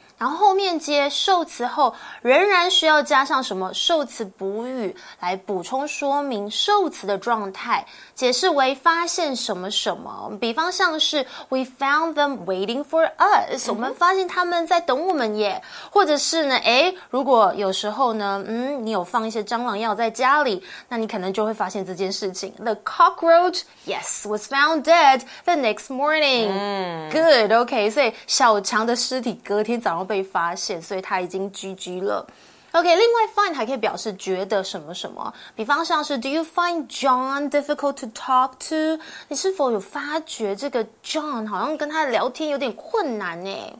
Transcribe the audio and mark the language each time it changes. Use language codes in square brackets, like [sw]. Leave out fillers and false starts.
[zh] 然后后面接受词后，仍然需要加上什么受词补语来补充说明受词的状态，解释为发现什么什么。比方像是 [en] We found them waiting for us， [zh] 我们发现他们在等我们耶。或者是呢，如果有时候呢，你有放一些蟑螂药在家里，那你可能就会发现这件事情。 [en] The cockroach, yes, was found dead the next morning. Good, okay. [zh] 所以小强的尸体隔天早上。然后被发现，所以他已经 GG 了。 OK，另外 find 还可以表示觉得什么什么，比方像是 [en] Do you find John difficult to talk to？ [zh] 你是否有发觉这个 John 好像跟他聊天有点困难呢？